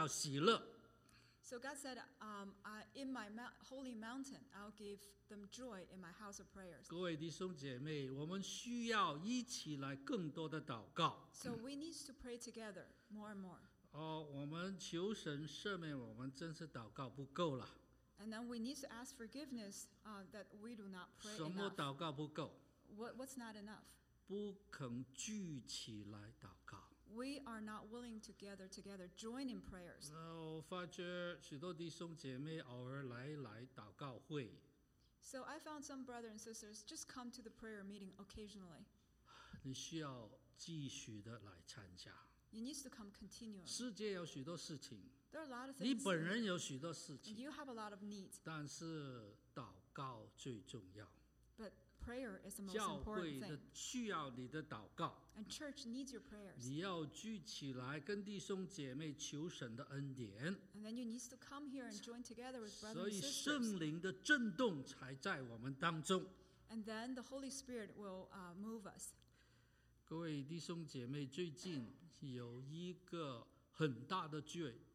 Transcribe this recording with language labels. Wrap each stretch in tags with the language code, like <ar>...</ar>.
<zh>神答应，在我的圣山，就是在他的教会里面，神的子民会得到喜乐。So</zh> <en>God said, in my holy mountain, I'll give them joy in my house of prayers.</en> <zh>各位弟兄姐妹，我们需要一起来更多的祷告。So</zh> <en>we need to pray together more and more.</en> <zh>我们求神赦免我们，真是祷告不够了。</zh> <en>And then we need to ask forgiveness that we do not pray</en> <zh>什么祷告不够?</zh> <en>Enough. What's not enough?</en> <zh>不肯聚起来祷告。</zh> <en>We are not willing to gather together, join in prayers.</en> <zh>我发觉许多弟兄姐妹偶尔来祷告会。</zh> <en>So I found some brothers and sisters just come to the prayer meeting occasionally.</en> <zh>你需要继续的来参加。</zh> <en>You need to come continually.</en> <zh>世界有许多事情。</zh> <en>There are a lot of things.</en> <zh>你本人有许多事情。</zh> <en>You have a lot of needs.</en> <zh>但是祷告最重要。</zh> <en>But prayer is the most important thing.</en> <zh>教会需要你的祷告。</zh> <en>And church needs your prayers.</en> <zh>你要聚起来跟弟兄姐妹求神的恩典。</zh> <en>And then you need to come here and join together with brothers and</en> <zh>所以圣灵的震动才在我们当中。</zh> <en>And then the Holy Spirit will move us.</en> <zh>各位弟兄姐妹，最近有一个很大的聚会。</zh>